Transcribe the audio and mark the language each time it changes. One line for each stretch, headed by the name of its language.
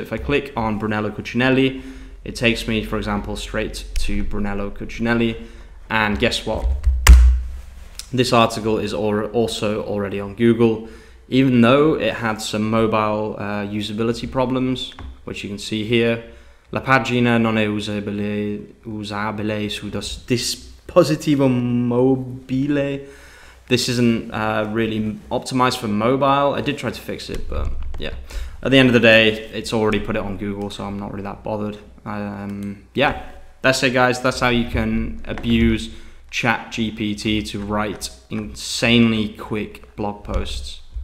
English: But if I click on Brunello Cucinelli, it takes me, for example, straight to Brunello Cucinelli. And guess what? This article is also already on Google, even though it had some mobile usability problems, which you can see here.
Italian: La pagina non è usabile su dispositivo mobile.
English: This isn't really optimized for mobile. I did try to fix it, but yeah. At the end of the day, it's already put it on Google, so I'm not really that bothered. Yeah, that's it, guys. That's how you can abuse ChatGPT to write insanely quick blog posts.